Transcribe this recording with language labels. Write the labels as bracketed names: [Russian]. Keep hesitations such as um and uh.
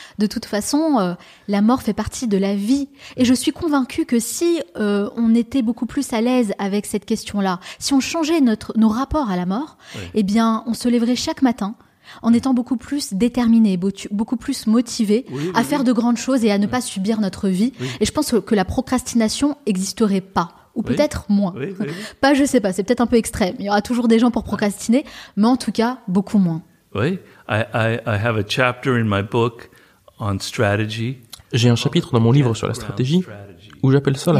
[French] De toute façon, euh, la mort fait partie de la vie. Et je suis convaincue que si euh, on était beaucoup plus à l'aise avec cette question-là, si on changeait notre, nos rapports à la mort, eh bien, on se lèverait chaque matin en étant beaucoup plus déterminé, beau- beaucoup plus motivé à faire de grandes choses et à ne pas subir notre vie. Et je pense que la procrastination existerait pas, ou peut-être moins. Oui, oui, oui. Pas, je sais pas, c'est peut-être un peu extrême. Il y aura toujours des gens pour procrastiner, mais en tout cas, beaucoup moins. [English] Oui, I, I, I have a chapter in my book on strategy. [French] J'ai un chapitre dans mon livre sur la stratégie où j'appelle ça la